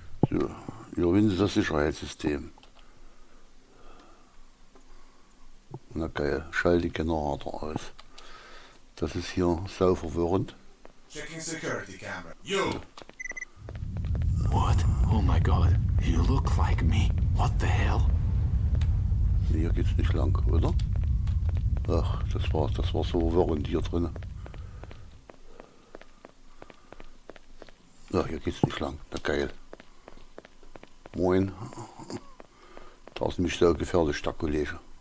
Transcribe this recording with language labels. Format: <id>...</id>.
<de>So, überwinde das Sicherheitssystem. Na geil, schalte die Generator aus. Das ist hier sau verwirrend.</de> <en>Checking security camera. You! What? Oh my god, you look like me. What the hell?</en> <de>Nee, hier geht's nicht lang, oder? Ach, das war so verwirrend hier drin. Ach, hier geht's nicht lang. Na geil. Moin. Da ist nämlich sehr gefährlich, der Kollege.</de>